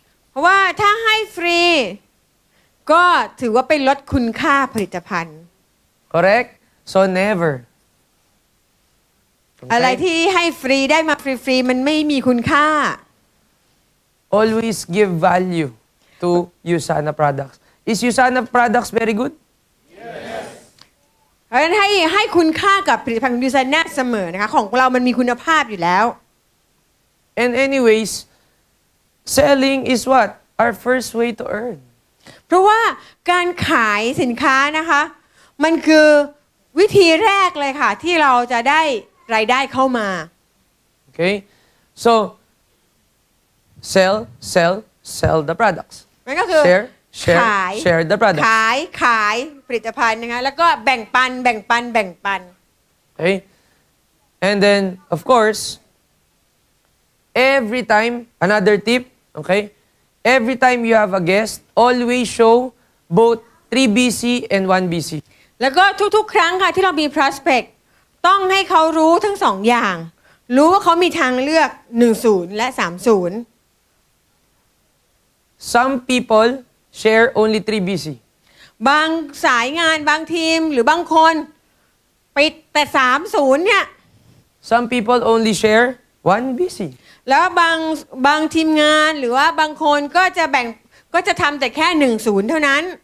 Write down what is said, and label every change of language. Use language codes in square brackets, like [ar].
[th] เพราะว่าถ้าให้ฟรีก็ถือว่าไปลดคุณค่าผลิตภัณฑ์ [en] correct so never okay. [th] อะไรที่ให้ฟรีได้มาฟรีๆมันไม่มีคุณค่า [en] always give value to USANA products is USANA products very good [th] เพราะฉะนั้นให้คุณค่ากับผลิตภัณฑ์ยูซาน่าเสมอนะคะของเรามันมีคุณภาพอยู่แล้ว [en] And anyways, selling is what? Our first way to earn. [th] เพราะว่าการขายสินค้านะคะมันคือวิธีแรกเลยค่ะที่เราจะได้รายได้เข้ามา [en] Okay? So, sell the products. [th] มันก็คือ [en] share, [th] ขาย [en] share the products. [th] ขายผลิตภัณฑ์นะคะแล้วก็แบ่งปัน [en] Okay? And then, of course, every time, another tip, okay? Every time you have a guest, always show both 3BC and 1BC. [th] แล้วก็ทุกๆครั้งค่ะที่เรามี prospect, ต้องให้เขารู้ทั้งสองอย่างรู้ว่าเขามีทางเลือก10และ30 [en] Some people share only 3BC. [th] บางสายงานบางทีมหรือบางคนปิดแต่30เนี่ย [en] Some people only share 1BC. [th] แล้วบางทีมงานหรือว่าบางคนก็จะแบ่งก็จะทำแต่แค่10เท่านั้น